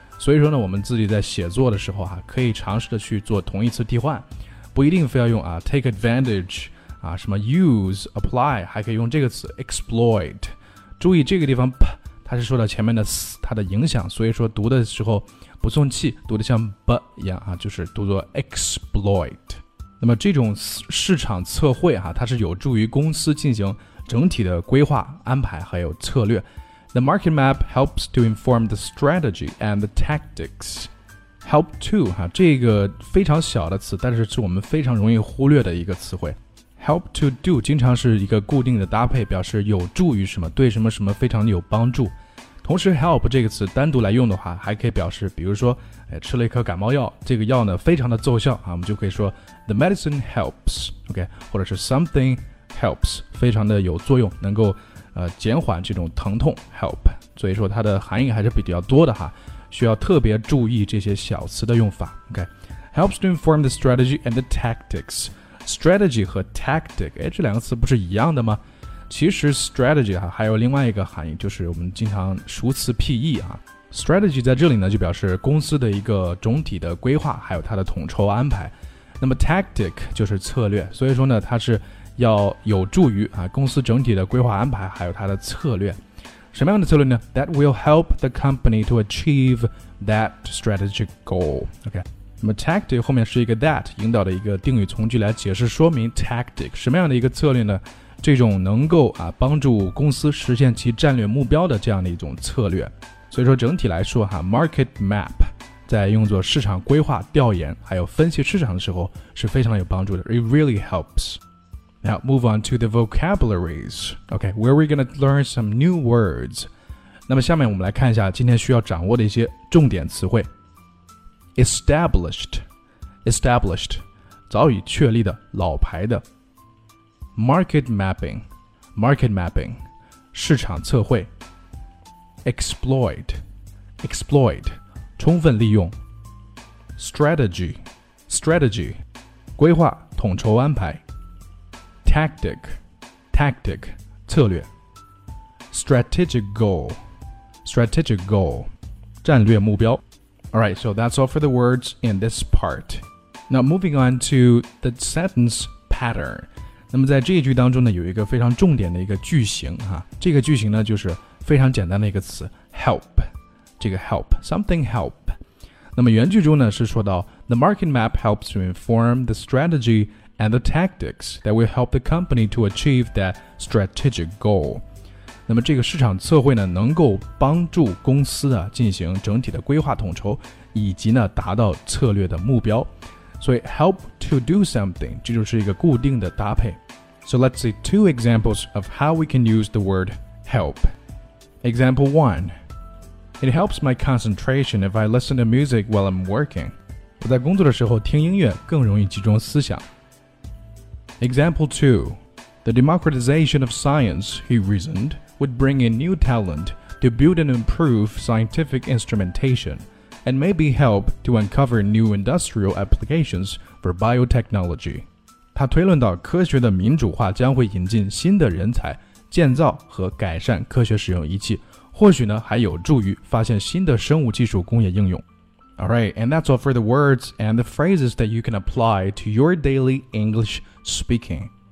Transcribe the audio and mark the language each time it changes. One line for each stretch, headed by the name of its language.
Chinese: 所以说呢，我们自己在写作的时候啊，可以尝试的去做同义词替换，不一定非要用啊
English: take advantage
Chinese: 啊什么 use apply， 还可以用这个词 exploit。注意这个地方。它是说到前面的它的影响，所以说读的时候不送气，读的像 b 一样啊，就是读作 exploit。那么这种市场测绘啊，它是有助于公司进行整体的规划安排还有策略。
English: The market map helps to inform the strategy and the tactics.
Chinese: Help to 啊，这个非常小的词，但是是我们非常容易忽略的一个词汇。 Help to do 经常是一个固定的搭配，表示有助于什么，对什么什么非常有帮助。同时 help 这个词单独来用的话，还可以表示比如说、哎、吃了一颗感冒药，这个药呢非常的奏效、啊、我们就可以说
English: the medicine helps，
Chinese: OK， 或者是
English: something helps，
Chinese: 非常的有作用，能够、减缓这种疼痛 help， 所以说它的含义还是比较多的哈，需要特别注意这些小词的用法。
English: OK， helps to inform the strategy and the tacticsStrategy 和 tactic，
Chinese: 哎，这两个词不是一样的吗？其实 strategy 啊，还有另外一个含义，就是我们经常熟词僻义啊。 Strategy 在这里呢就表示公司的一个总体的规划还有它的统筹安排，那么 Tactic 就是策略，所以说呢它是要有助于、公司整体的规划安排还有它的策略。什么样的策略呢？
English: That will help the company to achieve that strategic goal.
Chinese: OK， 那么 tactic 后面是一个 that 引导的一个定语从句来解释说明 tactic 什么样的一个策略呢？这种能够、帮助公司实现其战略目标的这样的一种策略。所以说整体来说、market map 在用作市场规划调研还有分析市场的时候是非常有帮助的。
English: It really helps. Now, move on to the vocabularies. Okay, where are we going to learn some new words?
Chinese: 那么下面我们来看一下今天需要掌握的一些重点词汇。
English: Established, established,
Chinese: 早已确立的老牌的。
English: Market mapping, market mapping,
Chinese: 市场测绘。
English: Exploit, exploit,
Chinese: 充分利用。
English: Strategy, strategy,
Chinese: 规划统筹安排。
English: Tactic, tactic,
Chinese: 策略。
English: Strategic goal, strategic goal,
Chinese: 战略目标。
English: Alright, so that's all for the words in this part. Now moving on to the sentence pattern.
Chinese: 那么在这一句当中呢有一个非常重点的一个句型、这个句型呢就是非常简单的一个词 help, 这个 help,
English: something help.
Chinese: 那么原句中呢是说到
English: The market map helps to inform the strategyAnd the tactics that will help the company to achieve that strategic goal.
Chinese: 那么这个市场测绘呢能够帮助公司、进行整体的规划统筹以及呢达到策略的目标。所以
English: help to do something,
Chinese: 这就是一个固定的搭配。
English: So let's see two examples of how we can use the word help. Example 1. It helps my concentration if I listen to music while I'm working.
Chinese: 我在工作的时候听音乐更容易集中思想。
English: Example 2. The democratization of science, he reasoned, would bring in new talent to build and improve scientific instrumentation, and maybe help to uncover new industrial applications for biotechnology.
Chinese: 他推论到科学的民主化将会引进新的人才，建造和改善科学使用仪器，或许呢还有助于发现新的生物技术工业应用。
English: Alright, and that's all for the words and the phrases that you can apply to your daily English speaking.